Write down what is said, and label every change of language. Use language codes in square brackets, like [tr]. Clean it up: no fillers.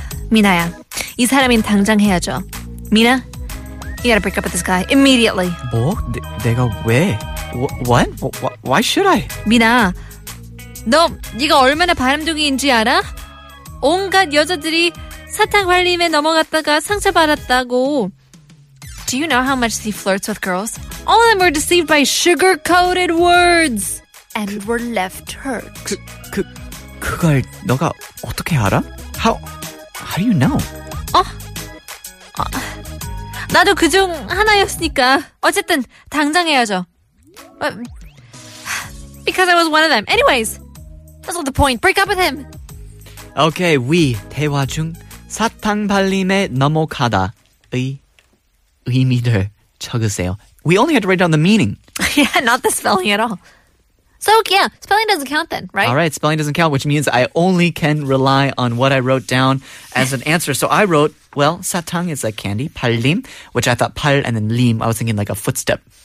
[ko] 미나야, 이 사람인 당장 헤어져. [en] 미나, you gotta break up with this guy immediately. [ko] 뭐? 내가 왜... [en] What? Why should I? [ko] 미나, 너 네가 얼마나 바람둥이인지 알아? 온갖 여자들이 사탕 발림에 넘어갔다가 상처받았다고. [en] Do you know how much he flirts with girls? All of them were deceived by sugar-coated words. And were left hurt. [ko] 그걸 너가 어떻게 알아? [en] How do you know? [ko] 어? 나도 그중 하나였으니까. 어쨌든 당장 해야죠. [en] Because I was one of them. Anyways, that's not the point. Break up with him. [ko] Okay, 위 대화 중 사탕 발림에 넘어가다의 의미를 적으세요. [en] We only had to write down the meaning. Yeah, not the spelling at all. So yeah, spelling doesn't count then, right? All right, spelling doesn't count, which means I only can rely on what I wrote down as an answer. So I wrote, well, 사탕 is like candy, 발림, which I thought 발 and then 림, I was thinking like a footstep.